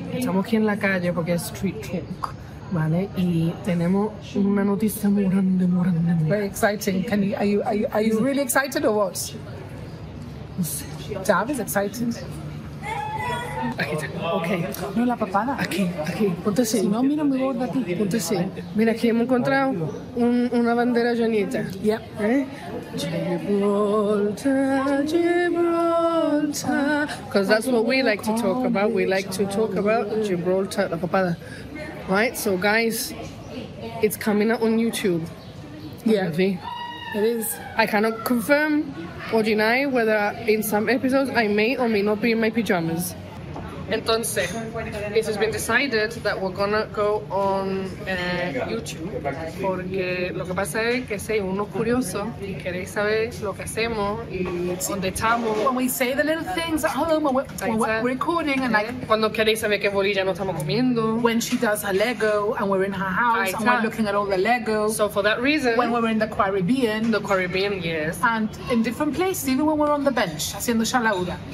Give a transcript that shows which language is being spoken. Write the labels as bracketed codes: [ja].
[es] Estamos aquí en la calle porque es street talk, ¿vale? Y tenemos una noticia muy grande, muy grande. [en] Very exciting. Can you, are you really excited or what? [es] No sé. [en] Dav is excited. [es] Aquí está. [en] Okay. [es] No, la papada. Aquí, aquí. Ponte así. Si no, mira muy gorda aquí. Ponte así. Mira, aquí hemos encontrado una bandera llenita. [en] Yep. [es] ¿Eh? Gibraltar, Gibraltar. [en] Because that's what we like to talk about. We like to talk about Gibraltar, [es] la papada. [en] Right? So, guys, it's coming out on YouTube. Yeah. Maybe. It is. I cannot confirm or deny whether in some episodes I may or may not be in my pajamas. [es] Entonces, [en] it has been decided that we're gonna go on YouTube [es] porque lo que pasa es que soy uno curioso y queréis saber lo que hacemos y dónde estamos. [en] When we say the little things at home, when we're recording and like... [es] Cuando queréis saber qué bolilla nos estamos comiendo. [en] When she does her Lego and we're in her house and we're looking at all the Lego. So for that reason... When we're in the Caribbean. The Caribbean, yes. And in different places, even when we're on the bench, [es] haciendo shalaura.